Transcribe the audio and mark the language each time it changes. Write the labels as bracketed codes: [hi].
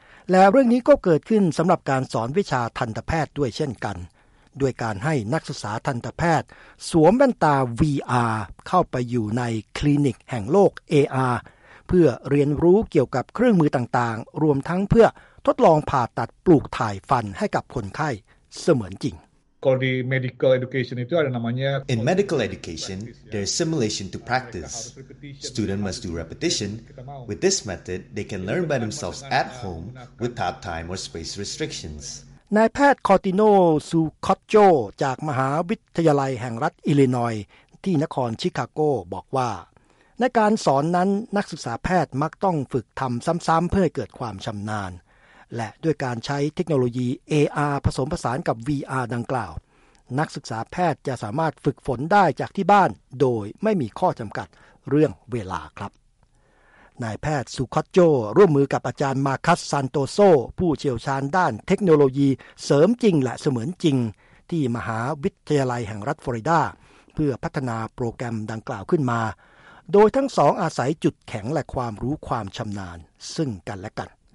[th] และเรื่องนี้ก็เกิดขึ้นสำหรับการสอนวิชาทันตแพทย์ด้วยเช่นกันด้วยการให้นักศึกษาทันตแพทย์สวมแว่นตา VR เข้าไปอยู่ในคลินิกแห่งโลก AR เพื่อเรียนรู้เกี่ยวกับเครื่องมือต่างๆรวมทั้งเพื่อทดลองผ่าตัดปลูกถ่ายฟันให้กับคนไข้เสมือนจริง [en] In medical education, there is simulation to practice. Students must do repetition. With this method, they can learn by themselves at home without time or space restrictions. [th] นายแพทย์คอร์ติโนซูคอตโจจากมหาวิทยาลัยแห่งรัฐอิลลินอยที่นครชิคาโกบอกว่าในการสอนนั้นนักศึกษาแพทย์มักต้องฝึกทำซ้ำๆเพื่อให้เกิดความชำนาญ และด้วยการใช้เทคโนโลยี AR ผสมผสานกับ VR ดังกล่าวนักศึกษาแพทย์จะสามารถฝึกฝนได้จากที่บ้านโดยไม่มีข้อจำกัดเรื่องเวลาครับนายแพทย์สุคัตโจร่วมมือกับอาจารย์มาคัสซานโตโซผู้เชี่ยวชาญด้านเทคโนโลยีเสริมจริงและเสมือนจริงที่มหาวิทยาลัยแห่งรัฐฟลอริดาเพื่อพัฒนาโปรแกรมดังกล่าวขึ้นมาโดยทั้งสองอาศัยจุดแข็งและความรู้ความชำนาญซึ่งกันและกัน